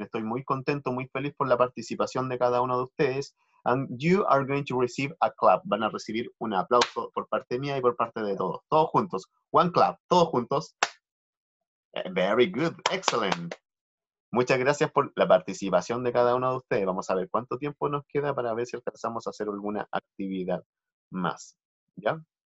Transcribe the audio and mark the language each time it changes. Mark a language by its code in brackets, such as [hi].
[es] Estoy muy contento, muy feliz por la participación de cada uno de ustedes. [en] And you are going to receive a clap. [es] Van a recibir un aplauso por parte mía y por parte de todos. Todos juntos. [en] One clap. Todos juntos. Very good. Excellent. [es] Muchas gracias por la participación de cada uno de ustedes. Vamos a ver cuánto tiempo nos queda para ver si alcanzamos a hacer alguna actividad más. ¿Ya?